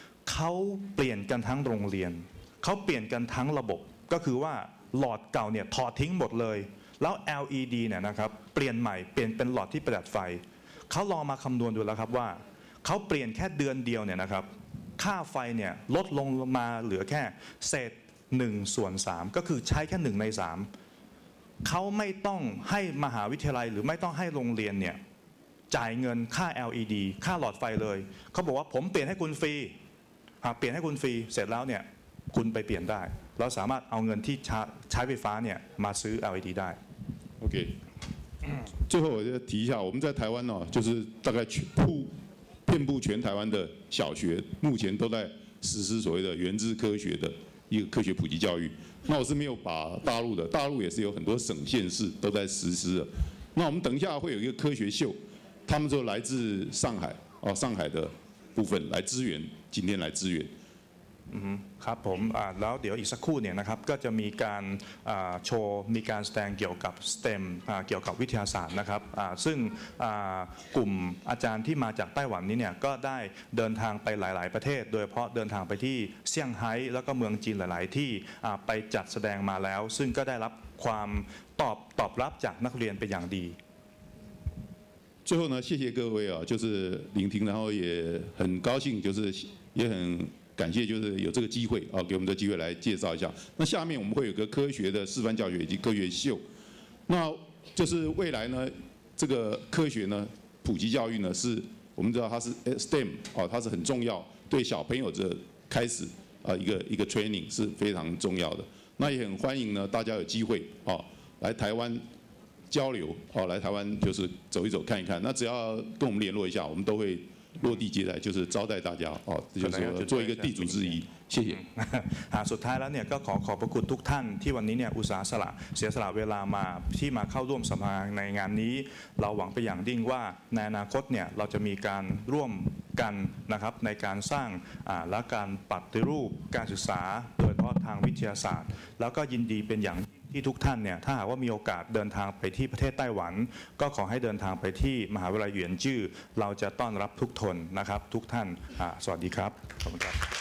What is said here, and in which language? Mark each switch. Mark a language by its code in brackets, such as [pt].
[th] เขาเปลี่ยนกันทั้งโรงเรียนเขาเปลี่ยนกันทั้งระบบก็คือว่าหลอดเก่าเนี่ยถอดทิ้งหมดเลยแล้ว LED เนี่ยนะครับเปลี่ยนใหม่เปลี่ยนเป็นหลอดที่ประหยัดไฟเขาลองมาคำนวณดูแล้วครับว่าเขาเปลี่ยนแค่เดือนเดียวเนี่ยนะครับค่าไฟเนี่ยลดลงมาเหลือแค่เศษ1ส่วน3ก็คือใช้แค่1ใน3เขาไม่ต้องให้มหาวิทยาลัยหรือไม่ต้องให้โรงเรียนเนี่ย จ่ายเงินค่า LED ค่าหลอดไฟเลยเขาบอกว่าผมเปลี่ยนให้คุณฟรีเปลี่ยนให้คุณฟรีเสร็จแล้วเนี่ยคุณไปเปลี่ยนได้แล้วสามารถเอาเงินที่ใช้ไฟฟ้าเนี่ยมาซื้อ LED ได้ [zh] โอเค最后我就提一下我们在台湾哦就是大概去铺遍布全台湾的小学目前都在实施所谓的原知科学的一个科学普及教育，那我是没有把大陆的，大陆也是有很多省县市都在实施的。那我们等一下会有一个科学秀，他们说来自上海，上海的部分来支援，今天来支援。 [th] ครับผมแล้วเดี๋ยวอีกสักครู่เนี่ยนะครับก็จะมีการโชว์มีการแสดงเกี่ยวกับ STEM เกี่ยวกับวิทยาศาสตร์นะครับซึ่งกลุ่มอาจารย์ที่มาจากไต้หวันนี้เนี่ยก็ได้เดินทางไปหลายๆประเทศโดยเฉพาะเดินทางไปที่เซี่ยงไฮ้แล้วก็เมืองจีนหลายๆที่ไปจัดแสดงมาแล้วซึ่งก็ได้รับความตอบรับจากนักเรียนเป็นอย่างดี [zh] 最后呢谢谢各位啊就是聆听然后也很高兴就是也很感谢就是有这个机会啊给我们的机会来介绍一下那下面我们会有个科学的示范教学以及科学秀那就是未来呢这个科学呢普及教育呢是我们知道它是 STEM 啊它是很重要对小朋友的开始啊一个 training 是非常重要的那也很欢迎呢大家有机会啊来台湾交流哦，来台湾就是走一走看一看。那只要跟我们联络一下，我们都会落地接待，就是招待大家哦，就是说做一个地主之谊。谢谢。 [th] 啊，สุดท้ายแล้วเนี่ยก็ขอขอบพระคุณทุกท่านที่วันนี้เนี่ยอุตส่าห์สละเสียสละเวลามาที่มาเข้าร่วมสภาในงานนี้เราหวังไปอย่างยิ่งว่าในอนาคตเนี่ยเราจะมีการร่วมกันนะครับในการสร้างและการปฏิรูปการศึกษาโดยเฉพาะทางวิทยาศาสตร์แล้วก็ยินดีเป็นอย่างที่ทุกท่านเนี่ยถ้าหากว่ามีโอกาสเดินทางไปที่ประเทศไต้หวันก็ขอให้เดินทางไปที่มหาวิทยาลัยเหวียนจื้อเราจะต้อนรับทุกทนนะครับทุกท่านสวัสดีครับขอบคุณครับ